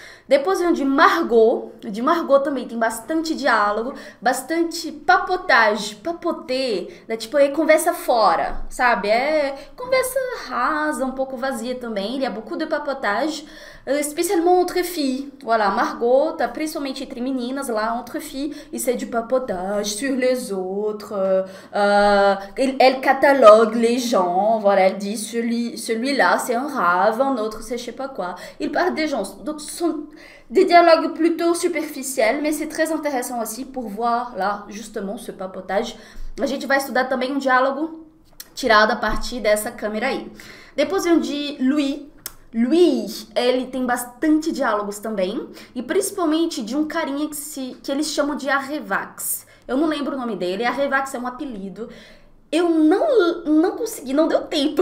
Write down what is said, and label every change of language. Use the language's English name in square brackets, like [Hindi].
[Portuguese] Depois vem o de Margot também tem bastante diálogo, bastante papotagem, papoter, né? Tipo, aí conversa fora, sabe? É conversa rasa, um pouco vazia também, ele é beaucoup de papotagem, especialmente entre filles. [French] Voilà, Margot, [Portuguese] tá principalmente entre meninas lá, entre filles, isso é de papotagem [French] sur les autres, elle catalogue les gens, voilà, elle dit celui-là c'est un rave, un autre c'est je sais pas quoi. Il parle des gens, donc des dialogues plutôt superficiels, mais c'est très intéressant aussi pour voir là justement ce papotage. [Portuguese] A gente vai estudar também um diálogo tirado a partir dessa câmera aí. Depois vem o de Louis. Louis, ele tem bastante diálogos também, e principalmente de um carinha que eles chamam de Arrevax. Eu não lembro o nome dele, Arrevax é um apelido. Eu não consegui, não deu tempo.